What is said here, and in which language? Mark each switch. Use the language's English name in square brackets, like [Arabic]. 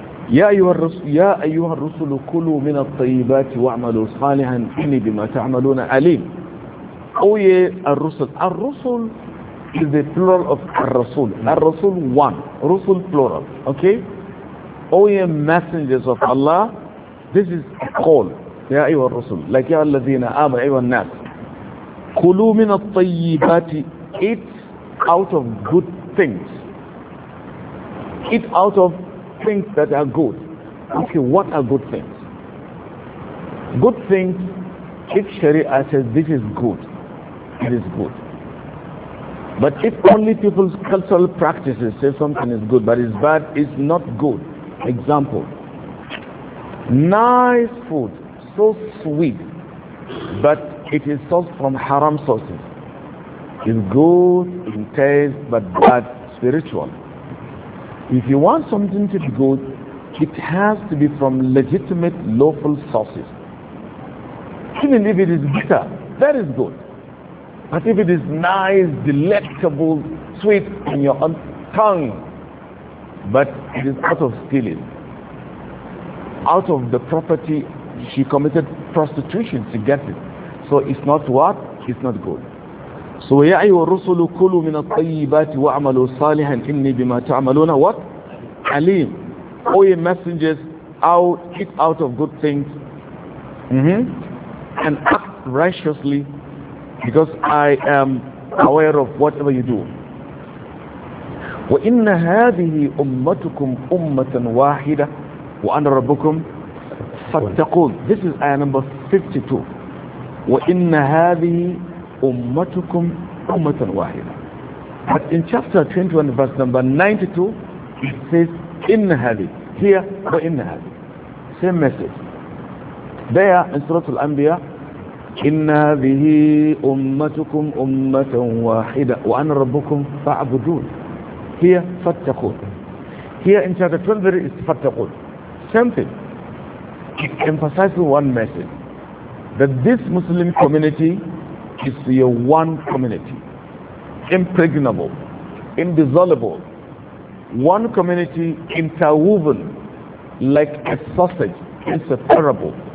[Arabic] يا أيها الرسل يا أيها الرسل كلوا من الطيبات واعملوا صالحا إني بما تعملون عليم. أوي الرسل الرسل [English] is the plural of [Arabic] الرسول. الرسول [English] one رسل plural. Okay. [Arabic] أوي [English] messengers of Allah. This is a call. [Arabic] يا أيها الرسل لك يا الذين آمنوا أيها الناس كلوا من الطيبات [English] eat out of good things. Eat out of things that are good. Okay, what are good things? Good things, if Sharia says this is good, it is good. But if only people's cultural practices say something is good but it's bad, it's not good. Example, nice food, so sweet, but it is sourced from haram sources. It's good in taste but bad spiritually. If you want something to be good, it has to be from legitimate, lawful sources. Even if it is bitter, that is good. But if it is nice, delectable, sweet in your own tongue, but it is out of stealing, out of the property, she committed prostitution to get it. So it's not what? It's not good. [Arabic] So يا أيها الرسل كلوا من الطيبات وعملوا صالحا إني بما تعملون what عليم. [English] O ye messengers, eat out of good things, and act righteously, because I am aware of whatever you do. [Arabic] وإن هذه أمتكم أمة واحدة وأنا ربكم فاتقون. [English] This is ayah number 52. [Arabic] وإن هذه أمتكم أمة واحدة. [English] But in chapter 21 verse number 92 it says إن هذه here but إن هذه same message there in [Arabic] سورة الأنبياء إن هذه أمتكم أمة واحدة وأنا ربكم فاعبدون [English] here فاتقون. Here in chapter 12 it is فاتقون same thing. It emphasizes one message that this Muslim community is your one community, impregnable, indissoluble, one community interwoven like a sausage, inseparable.